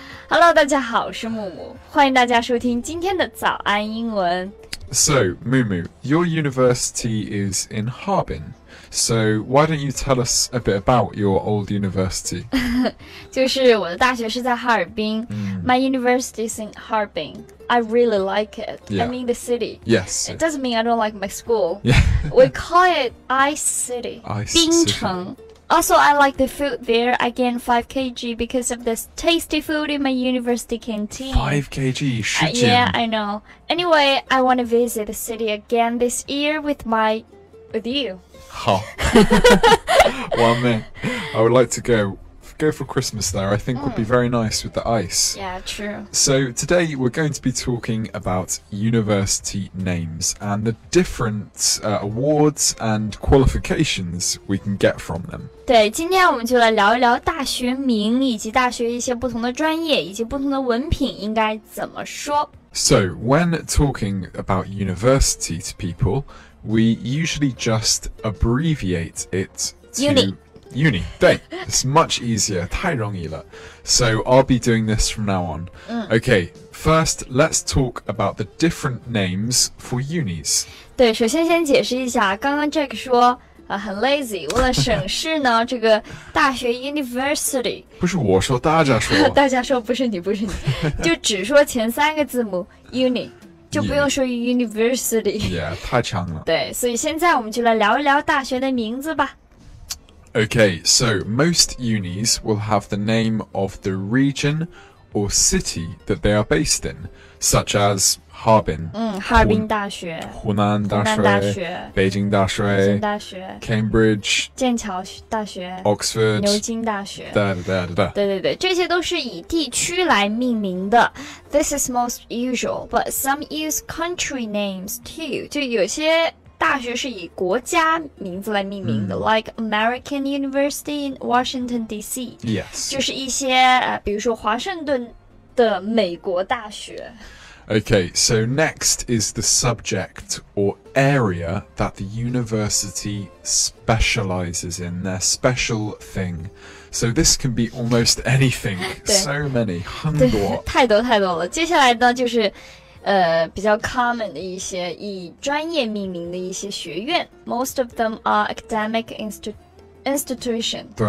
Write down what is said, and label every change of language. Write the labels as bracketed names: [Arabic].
[Chinese] Hello， 大家好，我是木木，欢迎大家收听今天的早安英文。 [English] So, Mumu, your university is in Harbin. So, why don't you tell us a bit about your old university? [Chinese] 就是我的大学是在哈尔滨。 [English] My university is in Harbin. I really like it. Yeah. I mean the city. Yes. It doesn't mean I don't like my school. Yeah. We call it Ice City. Ice City. 冰城。 Also, I like the food there. I gained 5 kg because of this tasty food in my university canteen. 5 kg, 10 kg. Yeah, I know. Anyway, I want to visit the city again this year with you. [Chinese] 好。 [English] Well, man, I would like to go for Christmas there. I think would be very nice with the ice. Yeah, true. So today we're going to be talking about university names and the different awards and qualifications we can get from them. [Chinese] 对，今天我们就来聊一聊大学名以及大学一些不同的专业以及不同的文凭应该怎么说。 [English] So when talking about university to people, we usually just abbreviate it to Uni, 对, it's much easier, 太容易了. So I'll be doing this from now on. Okay, first, let's talk about the different names for unis. [Chinese] 对，首先先解释一下，刚刚 Jack 说很 lazy, 为了省事呢，这个大学 university 不是我说，大家说，大家说不是你，就只说前三个字母 uni。就不用说 university。 Yeah, 太长了。对，所以现在我们就来聊一聊大学的名字吧。 [English] Okay, so most unis will have the name of the region or city that they are based in, such as Harbin. [Chinese] 哈尔滨大学。湖南大学。北京大学。北京大学。 [English] Cambridge。 [Chinese] 剑桥大学。 [English] Oxford。 [Chinese] 牛津大学。对，这些都是以地区来命名的。 [English] This is most usual, but some use country names too. [Chinese] 就有些大学是以国家名字来命名的 like American University in Washington D.C. [English] Yes. [Chinese] 就是一些比如说华盛顿的美国大学。 [English] Okay, so next is the subject or area that the university specializes in, their special thing. So this can be almost anything, so many, 很多。 [Chinese] 太多了。接下来呢就是比较 common 的一些以专业命名的一些学院 ， most of them are academic institution.